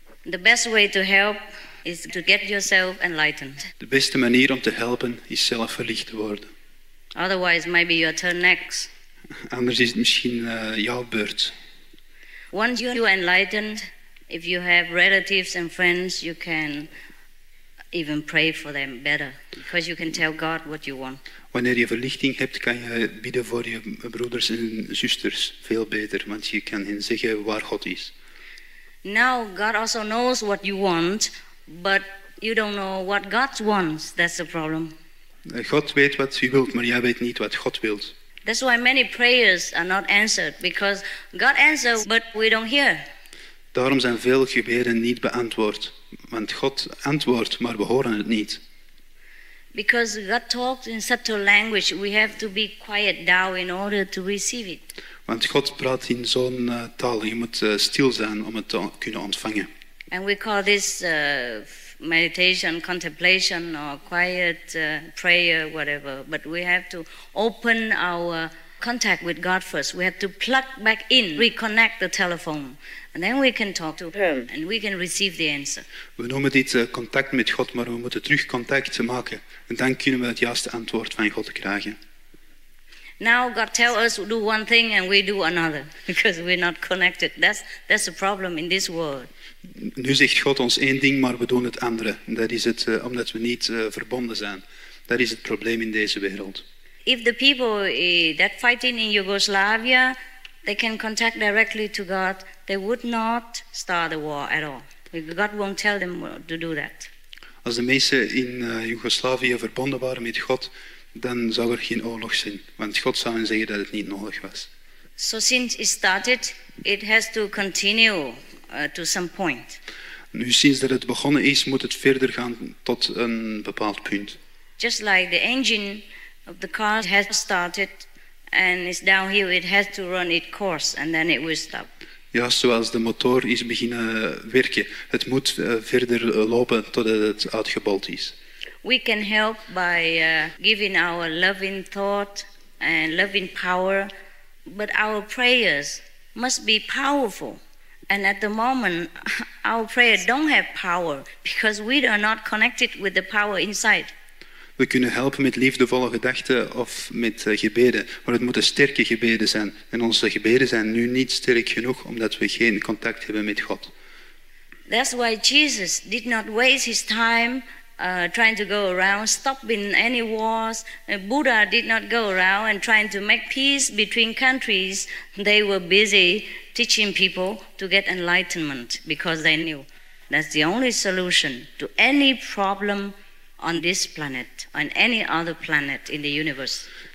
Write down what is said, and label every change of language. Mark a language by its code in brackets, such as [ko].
[en] The best way to help is to get yourself enlightened. [nl] De beste manier om te helpen is zelf verlicht te worden. [en] Otherwise, maybe your turn next. [nl] Anders is het misschien jouw beurt. [en] Once you are enlightened, if you have relatives and friends, you can even pray for them better, because you can tell God what you want. [nl] Wanneer je verlichting hebt, kan je bidden voor je broeders en zusters veel beter, want je kan hen zeggen waar God is. [en] Now God also knows what you want, but you don't know what God wants. That's the problem. [nl] God weet wat je wilt, maar jij weet niet wat God wilt. [en] That's why many prayers are not answered, because God answers, but we don't hear. [nl] Daarom zijn veel gebeden niet beantwoord, want God antwoordt, maar we horen het niet. [en] Because God talks in such a language, we have to be quiet now in order to receive it. [nl] Want God praat in zo'n taal. Je moet stil zijn om het te kunnen ontvangen. [en] And we call this meditation, contemplation, or quiet prayer, whatever. But we have to open our contact with God first. We have to plug back in, reconnect the telephone. And then we can talk to him, and we can receive the answer. [nl] We noemen dit contact met God, maar we moeten terug contact maken. En dan kunnen we het juiste antwoord van God krijgen. [en] Now God tells us to do one thing and we do another because we're not connected. That's the problem in this world. [nl] Nu zegt God ons één ding, maar we doen het andere. Dat is het omdat we niet verbonden zijn. Dat is het probleem in deze wereld. [en] If the people that fighting in Yugoslavia, they can contact directly to God, they would not start the war at all. God won't tell them to do that. [nl] Als de mensen in Joegoslavië verbonden waren met God, dan zou er geen oorlog zijn, want God zou hen zeggen dat het niet nodig was. [en] So since it started, it has to continue to some point. [nl] Nu sinds dat het begonnen is, moet het verder gaan tot een bepaald punt. [en] Just like the engine of the car has started and is downhill, it has to run its course and then it will stop. [nl] Ja, zoals de motor is beginnen werken, het moet verder lopen totdat het uitgebold is. [en] We can help by giving our loving thought and loving power, but our prayers must be powerful And at the moment, our prayer don't have power because we are not connected with the power inside. [nl] We kunnen helpen met liefdevolle gedachten of met gebeden, maar het moeten sterke gebeden zijn. En onze gebeden zijn nu niet sterk genoeg omdat we geen contact hebben met God. [en] That's why Jesus did not waste his time trying to go around, stopping any wars. Buddha did not go around and trying to make peace between countries. They were busy teaching people to get enlightenment because they knew that's the only solution to any problem on this planet, on any other planet in the universe.